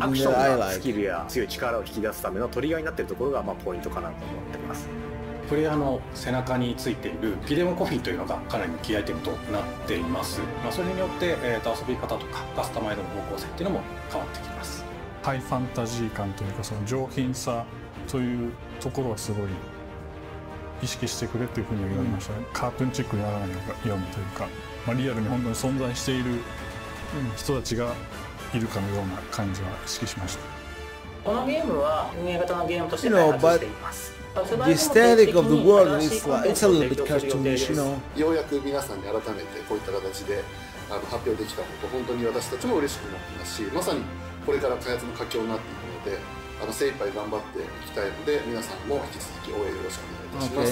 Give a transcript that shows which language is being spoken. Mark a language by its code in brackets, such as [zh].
[ja] アクションのスキルや強い力を引き出すための取り合いになっているところがポイントかなと思ってます。これあの背中についているピデモコフィンというのがかなり向き合えているとなっています。それによって遊び方とかカスタマイズの方向性っていうのも変わってきます。ハイファンタジー感というかその上品さというところはすごい意識してくれっていうふうに言われましたね。カートゥンチックにならないようにというか、リアルに本当に存在している人たちがているかのような感じは意識しました。このゲームは運営型のゲームとして開発しています。 [en] The aesthetic of the world is like, it's a little bit cartoonish, you know. [ja] ようやく皆さんに改めてこういった形で発表できたこと、本当に私たちも嬉しくなっていますし、まさにこれから開発の佳境になっているので、精一杯頑張っていきたいので、皆さんも引き続き応援よろしくお願いいたします。